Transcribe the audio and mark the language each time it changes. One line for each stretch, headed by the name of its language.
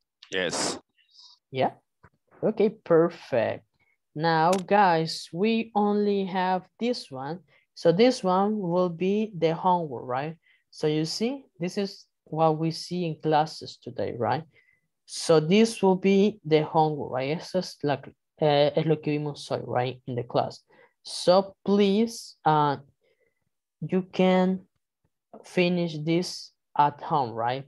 English: Yes. Yeah? Okay, perfect. Now guys, we only have this one. So this one will be the homework, right? So you see, this is what we see in classes today, right? So this will be the homework, right?
Spanish: Eso es, la, es lo que vimos hoy, right?
English: In the class. So please, you can finish this at home, right?